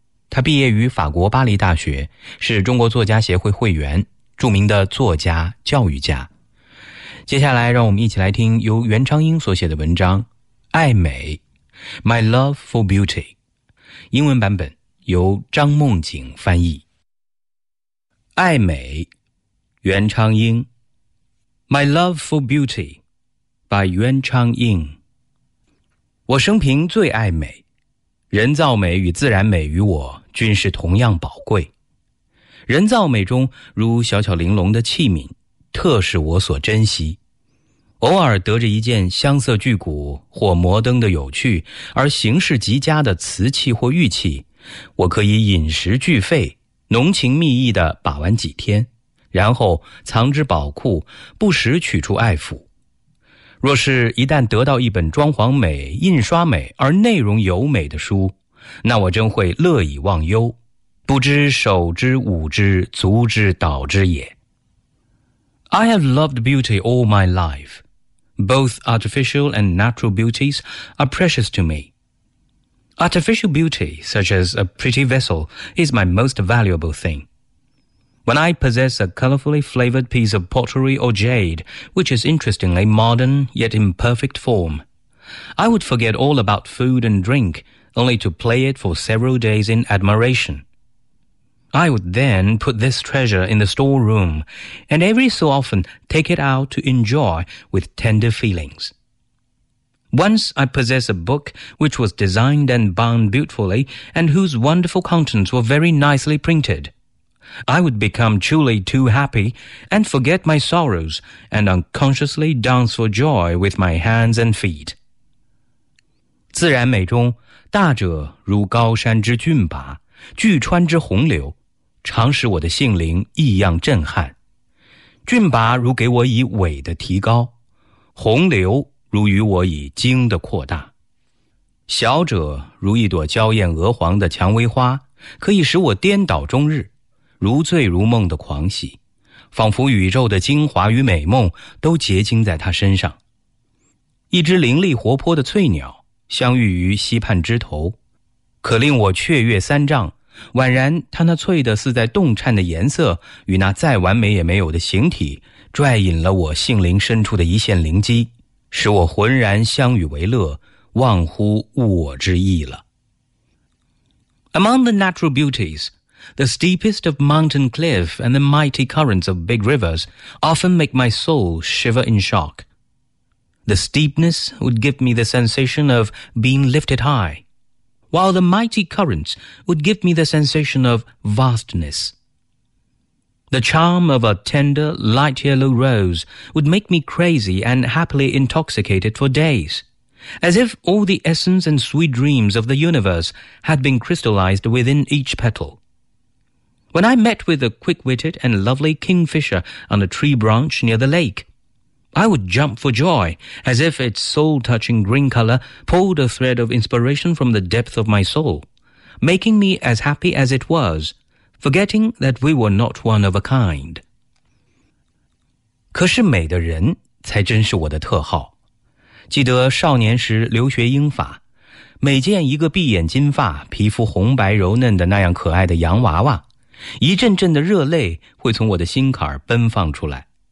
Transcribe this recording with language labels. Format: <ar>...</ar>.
<zh>他毕业于法国巴黎大学，是中国作家协会会员，著名的作家、教育家。接下来让我们一起来听由袁昌英所写的文章爱美</zh> <en>My Love for Beauty，</en> <zh>英文版本由张梦景翻译。爱美，袁昌英。</zh> <en>My Love for Beauty by 袁昌英。</en> <zh>我生平最爱美，人造美与自然美与我均是同样宝贵。人造美中如小巧玲珑的器皿，特是我所珍惜，偶尔得着一件镶色巨骨或摩登的有趣而形式极佳的瓷器或玉器，我可以饮食俱废，浓情蜜意地把玩几天，然后藏之宝库，不时取出爱抚。若是一旦得到一本装潢美、印刷美而内容优美的书，那我真会乐以忘忧，不知手之舞之足之蹈之也。</zh> <en>I have loved beauty all my life. Both artificial and natural beauties are precious to me. Artificial beauty, such as a pretty vessel, is my most valuable thing. When I possess a colorfully flavored piece of pottery or jade, which is interestingly modern yet in perfect form, I would forget all about food and drink, only to play it for several days in admiration. I would then put this treasure in the storeroom, and every so often take it out to enjoy with tender feelings. Once I possess a book which was designed and bound beautifully, and whose wonderful contents were very nicely printed. I would become truly too happy, and forget my sorrows, and unconsciously dance for joy with my hands and feet.</en> <zh>自然美中，大者如高山之峻拔，巨川之洪流。常使我的性灵异样震撼，峻拔如给我以伟的提高，洪流如与我以经的扩大，小者如一朵娇艳鹅黄的蔷薇花，可以使我颠倒终日，如醉如梦的狂喜，仿佛宇宙的精华与美梦都结晶在他身上。一只灵力活泼的翠鸟相遇于溪畔枝头，可令我雀跃三丈，宛然他那翠的似在动颤的颜色与那再完美也没有的形体，拽引了我性灵深处的一线灵机，使我浑然相与为乐，忘乎物我之意了。 Among the natural beauties, the steepest of mountain cliff and the mighty currents of big rivers often make my soul shiver in shock. The steepness would give me the sensation of being lifted high. While the mighty currents would give me the sensation of vastness. The charm of a tender, light yellow rose would make me crazy and happily intoxicated for days, as if all the essence and sweet dreams of the universe had been crystallized within each petal. When I met with a quick-witted and lovely kingfisher on a tree branch near the lake, I would jump for joy, as if its soul-touching green color pulled a thread of inspiration from the depth of my soul, making me as happy as it was, forgetting that we were not one of a kind. 可是美的人才真是我的特号。记得少年时留学英法，每见一个闭眼金发、皮肤红白柔嫩的那样可爱的洋娃娃，一阵阵的热泪会从我的心坎奔放出来。</zh>